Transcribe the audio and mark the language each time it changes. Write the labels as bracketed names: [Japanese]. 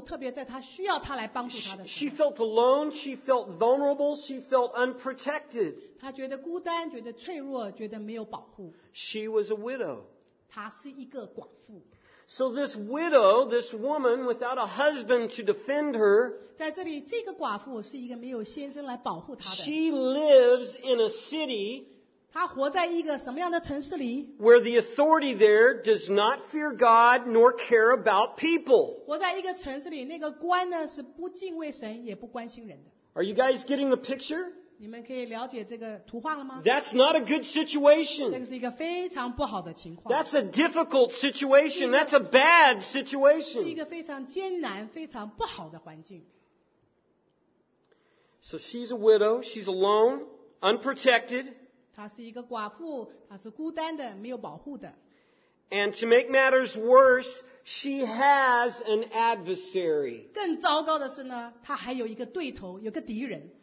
[Chinese] 她觉得孤单，觉得孤立无援，觉得需要他的帮助，特别在她需要他来帮助她的时候。 [English] She felt alone. She felt vulnerable. She felt unprotected. [Chinese] 她觉得孤单，觉得脆弱，觉得没有保护。 [English] She was a widow. [Chinese] 她是一个寡妇。 [English] So this widow, this woman without a husband to defend her, [Chinese] 在这里, [English] she lives in a city where the authority there does not fear God nor care about people. [Chinese] 活在一个城市里, 那个官呢, 是不敬畏神, 也不关心人的。 [English] Are you guys getting the picture? [Chinese] 你们可以了解这个图画了吗? [English] That's not a good situation. [Chinese] 这个是一个非常不好的情况。 [English] That's a difficult situation. [Chinese] 是一个, [English] That's a bad situation. [Chinese] 是一个非常艰难,非常不好的环境。 [English] So she's a widow. She's alone, unprotected. [Chinese] 她是一个寡妇,她是孤单的,没有保护的。 [English] And to make matters worse, she has an adversary. [Chinese] 更糟糕的是呢,她还有一个对头,有个敌人。